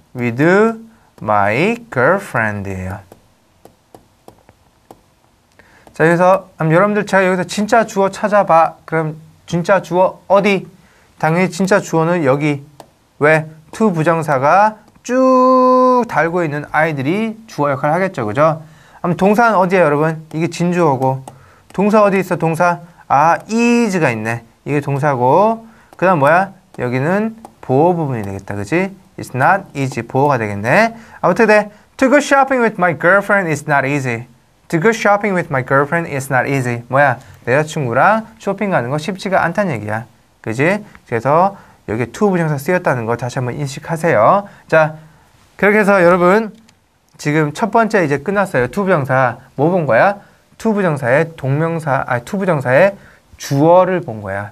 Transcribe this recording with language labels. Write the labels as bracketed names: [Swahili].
[English] With my girlfriend예요. [Korean] 자, 여기서 여러분들 제가 여기서 진짜 주어 찾아봐. 그럼 진짜 주어 어디? 당연히 진짜 주어는 여기. 왜? to 부정사가 쭉 달고 있는 아이들이 주어 역할을 하겠죠, 그죠? 동사는 어디야, 여러분? 이게 진주어고. 동사 어디 있어, 동사? 아, is가 있네. 이게 동사고. 그 다음 뭐야? 여기는 보어 부분이 되겠다, 그지? [English] It's not easy. [Korean] 보어가 되겠네. 어떻게 돼? [English] To go shopping with my girlfriend is not easy. To go shopping with my girlfriend is not easy. [Korean] 뭐야? 내 여자친구랑 쇼핑 가는 거 쉽지가 않다는 얘기야. 그지? 그래서 여기 to 부정사 쓰였다는 거 다시 한번 인식하세요. 자, 그렇게 해서 여러분 지금 첫 번째 이제 끝났어요. to 부정사 뭐 본 거야? to 부정사의 동명사, 아니 to 부정사의 주어를 본 거야.